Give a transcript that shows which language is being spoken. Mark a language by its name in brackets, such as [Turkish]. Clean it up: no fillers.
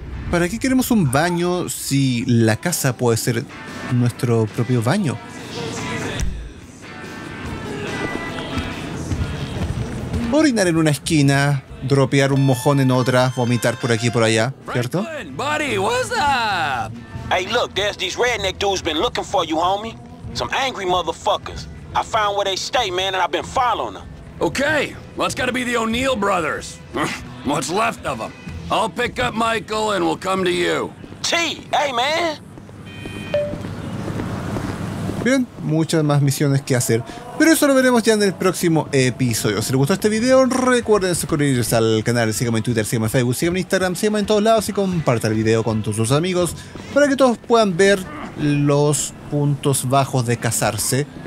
[Spanish] ¿Para qué queremos un baño si la casa puede ser nuestro propio baño? Orinar en una esquina, dropear un mojón en otra, vomitar por aquí y por allá, ¿cierto? [English] Franklin, buddy, what's up? Hey, look, there's these redneck dudes been looking for you, homie. Some angry motherfuckers. I found where they stay, man, and I've been following them. Okay, well, it's gotta be the O'Neill brothers. What's left of them. I'll pick up Michael and we'll come to you. T, hey, man. [Spanish] Bien, muchas más misiones que hacer, pero eso lo veremos ya en el próximo episodio. Si les gustó este video, recuerden suscribirse al canal, síganme en Twitter, síganme en Facebook, síganme en Instagram, síganme en todos lados y compartan el video con todos sus amigos para que todos puedan ver los puntos bajos de casarse.